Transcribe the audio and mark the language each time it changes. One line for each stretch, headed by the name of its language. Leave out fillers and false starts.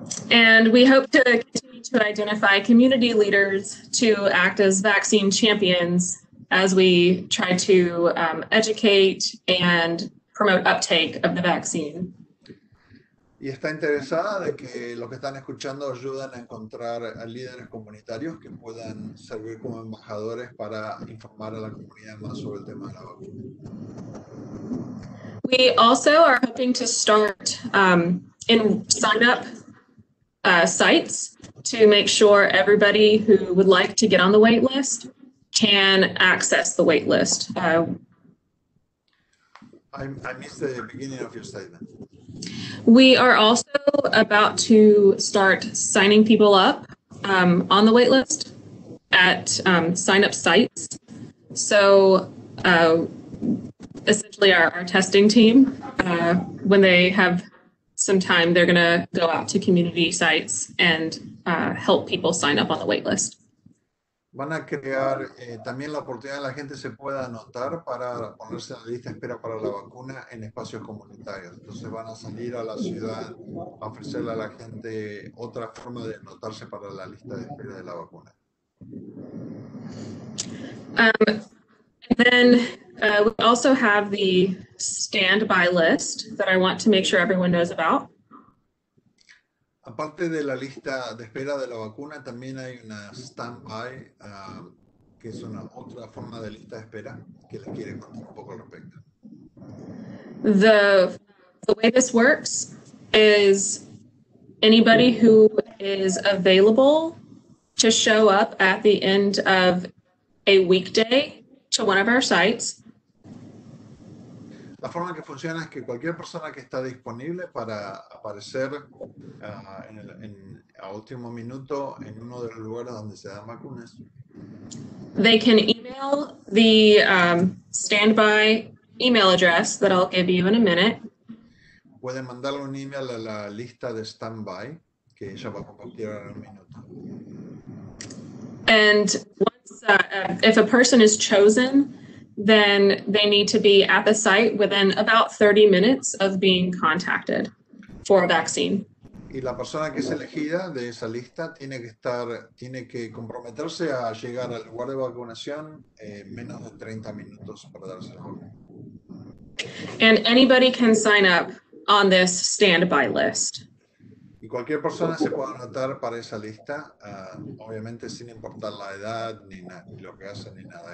English: And we hope to continue to identify community leaders to act as vaccine champions as we try to educate and promote uptake of the vaccine.
Spanish: Y está interesada de que los que están escuchando ayuden a encontrar a líderes comunitarios que puedan servir como embajadores para informar a la comunidad más sobre el tema de la vacuna.
English: We also are hoping to start in sign-up sites to make sure everybody who would like to get on the wait list can access the wait list. I missed the beginning of your statement. We are also about to start signing people up on the wait list at sign-up sites. So essentially our testing team, when they have some time, they're gonna go out to community sites and help people sign up on the wait list.
Spanish: Van a crear también la oportunidad de la gente se pueda anotar para ponerse en la lista de espera para la vacuna en espacios comunitarios. Entonces van a salir a la ciudad a ofrecerle a la gente otra forma de anotarse para la lista de espera de la vacuna.
English: And then we also have the standby list that I want to make sure everyone knows about.
Spanish: Aparte de la lista de espera de la vacuna, también hay una stand-by, que es una otra forma de lista de espera, que les quiere contar un poco al respecto.
English: The way this works is anybody who is available to show up at the end of a weekday to one of our sites.
Spanish: La forma que funciona es que cualquier persona que está disponible para aparecer a último minuto en uno de los lugares donde se dan vacunas.
English: They can email the standby email address that I'll give you in a minute.
Spanish: Pueden mandarle un email a la lista de standby que ella va a compartir en un minuto.
English: And once, if a person is chosen, then they need to be at the site within about 30 minutes of being contacted for a vaccine.
Spanish: Y la persona que es elegida de esa lista tiene que comprometerse a llegar al lugar de vacunación en menos de 30 minutos para darse la vacuna.
English: And anybody can sign up on this standby list.
Spanish: Y cualquier persona se puede anotar para esa lista, obviamente sin importar la edad ni, ni lo que hacen ni nada.